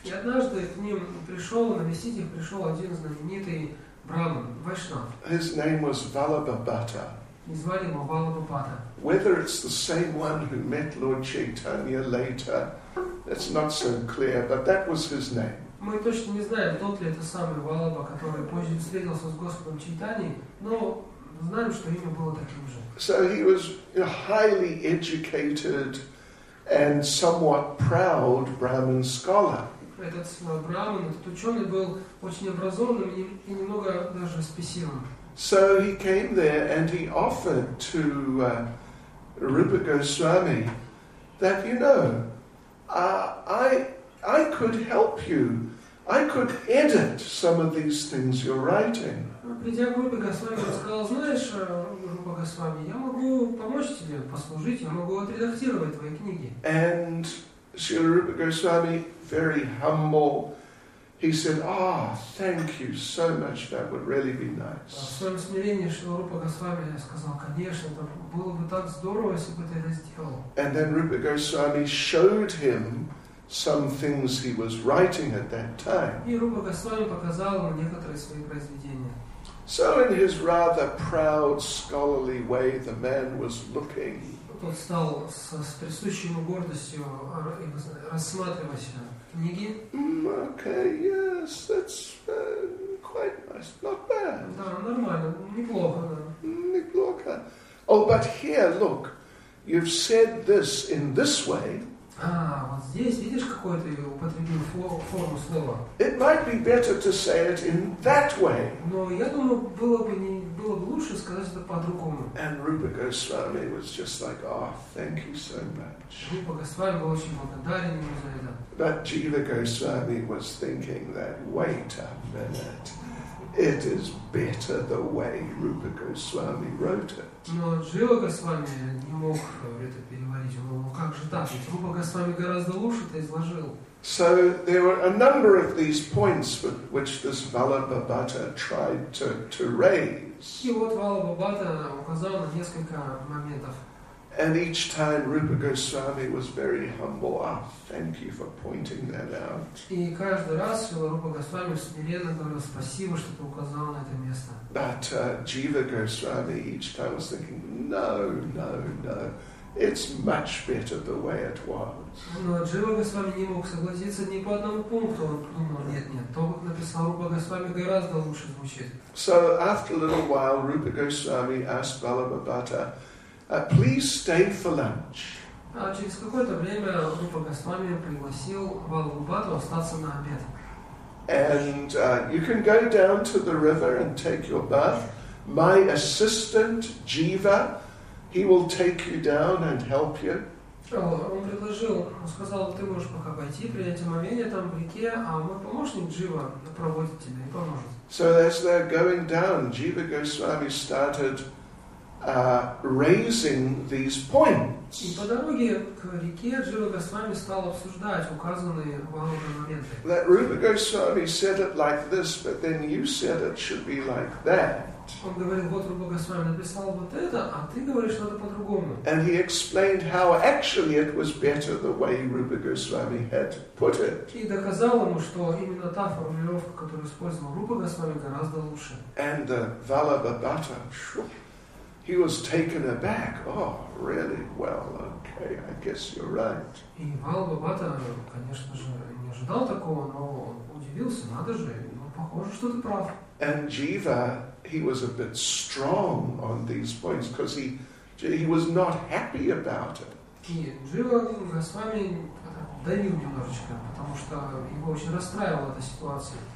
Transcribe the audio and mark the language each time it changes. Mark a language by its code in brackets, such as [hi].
[ru] И однажды к ним пришел, навестить их пришел один знаменитый Брахман, Вайшнав. [en] His name was Vallabhabhatta. [ru] И звали его Vallabhabhatta. [en] Whether it's the same one who met Lord Chaitanya later, it's not so clear, but that was his name. [ru] Мы точно не знаем, тот ли это самый Валаба, который позже встретился с Господом Чайтани, но знаем, что имя было таким же. [en] So he was a highly educated and somewhat proud Brahmin scholar. [ru] Этот Брахман, этот ученый, был очень образованным и немного даже спесивым. [en] So he came there and he offered to Rupa Goswami that, you know, I could help you. I could edit some of these things you're writing. [ru] Придя к Рупе Госвами, он сказал, знаешь, Рупа Госвами, я могу помочь тебе, послужить, я могу отредактировать твои книги. [en] And Srila Rupa Goswami, very humble, he said, thank you so much, that would really be nice. [ru] В своем смирении Шрила Рупа Госвами сказал, конечно, это было бы так здорово, если бы ты это сделал. [en] And then Rupa Goswami showed him some things he was writing at that time. [ru] И Рупа Госвами показал ему некоторые свои произведения. [en] So in his rather proud, scholarly way, the man was looking. [ru] Тот стал с присущей ему гордостью рассматривать книги. [en] Okay, yes, that's quite nice, not bad. [ru] Да, нормально, неплохо, да. Неплохо. [en] Oh, but here, look, you've said this in this way. [ru] Вот здесь, видишь, какой ты употребил форму слова. [en] It might be better to say it in that way. [ru] Но я думаю, было бы лучше сказать это по-другому. [en] And Rupa Goswami was just like, thank you so much. [ru] Рупа Госвами был очень благодарен ему за это. [en] But Jiva Goswami was thinking that, wait a minute, it is better the way Rupa Goswami wrote it. [ru] Но Джива Госвами не мог это переварить. Он говорил, как же так? Рупа Госвами гораздо лучше это изложил. [en] So there were a number of these points which this Vallabhabhatta tried to raise. [ru] И вот Vallabhabhatta указал на несколько моментов. [en] And each time Rupa Goswami was very humble. Thank you for pointing that out. [ru] И каждый раз Рупа Госвами смиренно говорил, спасибо, что ты указал на это место. [en] But Jiva Goswami each time was thinking, no, It's much better the way it was. [ru] Но Джива Госвами не мог согласиться ни по одному пункту. Он думал, нет, то, как написал Рупа Госвами, гораздо лучше звучит. [en] So after a little while, Rupa Goswami asked Vallabha Bhatta, please stay for lunch. [ru] А через какое-то время Рупа Госвами пригласил Валлабху Бхатту остаться на обед. [en] And you can go down to the river and take your bath. My assistant, Jiva, he will take you down and help you. [ru] Он предложил, он сказал, ты можешь пока пойти, принять омовение там в реке, а мой помощник Джива проводит тебя и поможет. [en] So as they're going down, Jiva Goswami started raising these points. [ru] И по дороге к реке Джива Госвами стал обсуждать указанные Валлабху моменты. [en] That Rupa Goswami said it like this, but then you said it should be like that. [ru] Он говорил, вот Рупа Госвами написал вот это, а ты говоришь надо по-другому. [en] And he explained how actually it was better the way Rupa Goswami had put it. [ru] И доказал ему, что именно та формулировка, которую использовал Рупа Госвами, гораздо лучше. [en] And the Vallabha Bhatta, he was taken aback. Oh, really? Well, okay, I guess you're right. [ru] И Вальба Бата, конечно же, не ожидал такого, но он удивился, надо же, но похоже, что ты прав. [en] And Jiva, he was a bit strong on these points because he was not happy about it. [ru] И Джива Госвами давил немножечко, потому что его очень расстраивала эта ситуация.